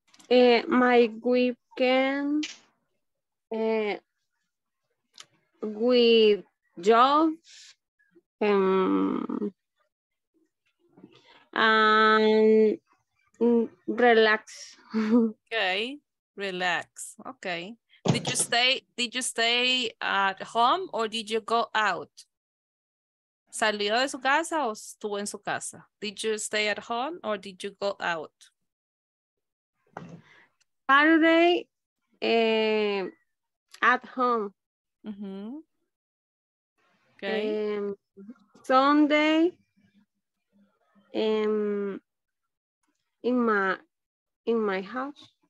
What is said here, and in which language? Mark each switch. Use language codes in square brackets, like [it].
[en] My weekend with job and relax. Okay, relax. Okay. Did you stay at home or did you go out? [es] ¿Salió de su casa o estuvo en su casa? [en] Did you stay at home or did you go out? Saturday at home. Mm-hmm. Okay. Sunday in my house.